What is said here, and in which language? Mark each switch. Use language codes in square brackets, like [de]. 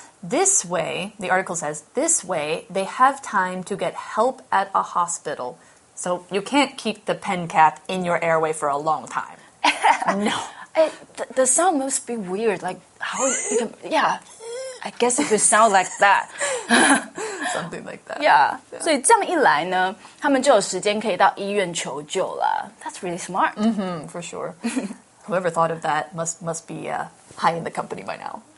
[en] This way, the article says, this way they have time to get help at a hospital. So you can't keep the pen cap in your airway for a long time. No. The sound must be weird. Like how? Yeah, I guess it would sound like that. Something like that. Yeah. [zh] So, 这样一来呢，他们就有时间可以到医院求救了。 [en] That's really smart. For sure. Whoever thought of that must be high in the company by now.